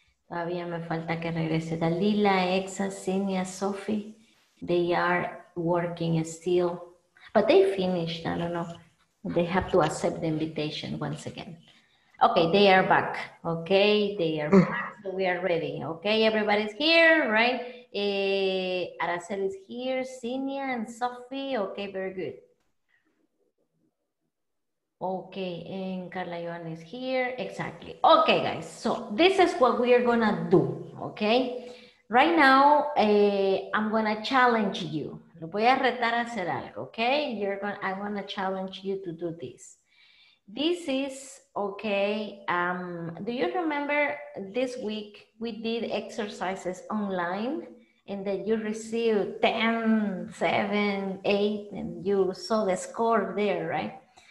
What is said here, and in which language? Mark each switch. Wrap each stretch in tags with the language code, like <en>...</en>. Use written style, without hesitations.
<es>Todavía me falta que regrese Dalila, Exa, Sinia, Sophie.</es> <en>They are working still. But they finished, I don't know. They have to accept the invitation once again. Okay, they are back. Okay, they are back. So we are ready. Okay, everybody's here, right? Araceli's here, Sinia and Sophie. Okay, very good. Okay, and Carla Joan is here. Exactly. Okay, guys, so this is what we are gonna do, okay? Right now, I'm gonna challenge you.</en> <es>Lo voy a retar a hacer algo, okay?</es> <en>I wanna challenge you to do this. This is, okay, do you remember this week we did exercises online and then you received 10, 7, 8, and you saw the score there, right?</en>